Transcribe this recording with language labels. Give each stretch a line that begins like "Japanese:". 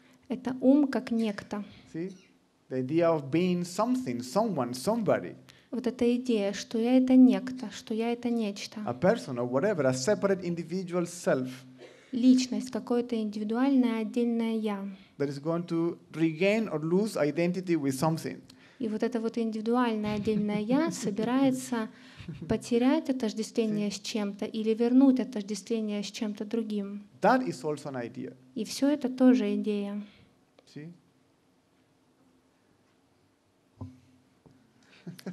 Russian: Это ум как некто.
English: See? The idea of being something, someone, somebody.
Russian: Вот эта идея, что я это некто, что я это нечто.
English: A person or whatever, a separate individual self.
Russian: Личность, какое-то индивидуальное отдельное я.
English: That is going to regain or lose identity with something.
Russian: И вот это вот индивидуальное отдельное я собирается потерять отождествление с чем-то или вернуть отождествление с чем-то другим.
English: That is also an idea.
Russian: И все это тоже идея.
English: See?